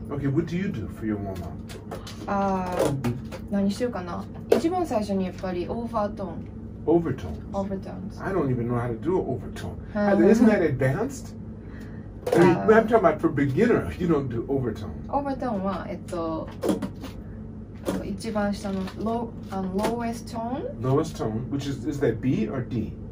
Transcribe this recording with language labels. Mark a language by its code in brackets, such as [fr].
[en] Okay, what do you do for your warm up? [ja] 何しようかな。一番最初にやっぱりオーバートーン。 [en] Overtones. Overtones. I don't even know how to do an overtone. Isn't that advanced? I mean, I'm talking about for beginner, you don't do overtone. [ja] Overtone は一番下の [en] lowest tone. Lowest tone, which is that B or D?